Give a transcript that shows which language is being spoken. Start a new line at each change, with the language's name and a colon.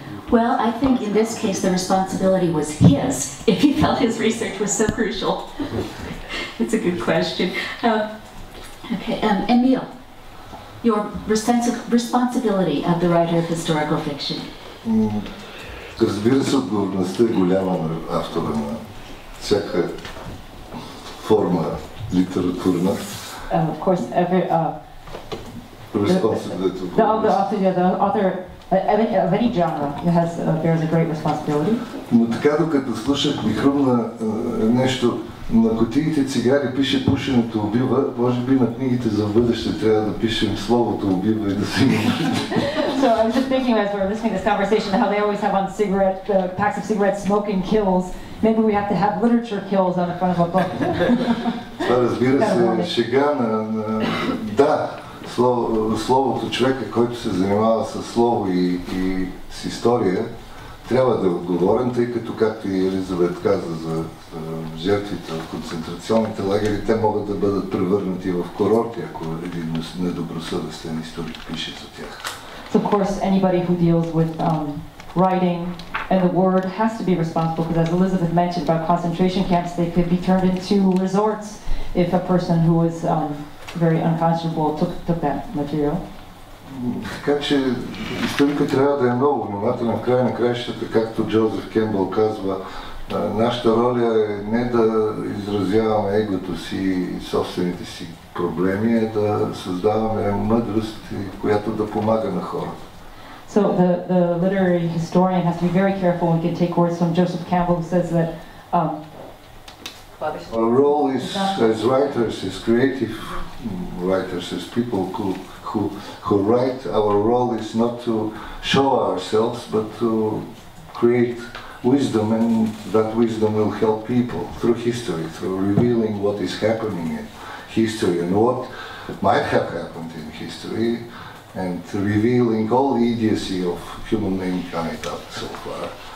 English: Well, I think in this case the responsibility was his, if he felt his research was so crucial. That's a good question. Emil, your sense of responsibility of the writer of historical fiction.
Bulgarian: Разбира се, отговорността е голяма на автора на всяка форма литературна.
English: Of course, there's a great responsibility.
Bulgarian: Но така, докато слушах, ми хрумна нещо. На кутиите цигари пише пушенето убива. Може би на книгите за бъдеще трябва да пишем словото убива и да си има.
English: So I was just thinking as we were listening to this conversation how they always have on cigarette, the packs of cigarettes, smoking kills. Maybe we have to have literature kills on the front of a book.
Bulgarian: Това разбира се, шега на... Да, словото, човека, който се занимава с слово и с история, трябва да е отговорен, тъй като, както и Елизабет каза за жертвите от концентрационните лагери, те могат да бъдат превърнати в курорти, ако един недобросъвестен историк пише за тях.
English: So of course, anybody who deals with writing and the word has to be responsible, because as Elizabeth mentioned about concentration camps, they could be turned into resorts if a person who was very unconscionable took that material.
Bulgarian: Така че историка трябва да е много внимателен. В края на краищата, както Джозеф Кембъл казва, нашата роля е не да изразяваме егото си и собствените си проблеми, а да създаваме мъдрост, която да помага на хората.
English: So the literary historian has to be very careful. We can take words from Joseph Campbell, who says that our role is as writers, as creative writers, as people who write, our role is not to show ourselves, but to create wisdom, and that wisdom will help people through history, through revealing what is happening in history and what might have happened in history, and revealing all the idiocy of human mankind up so far.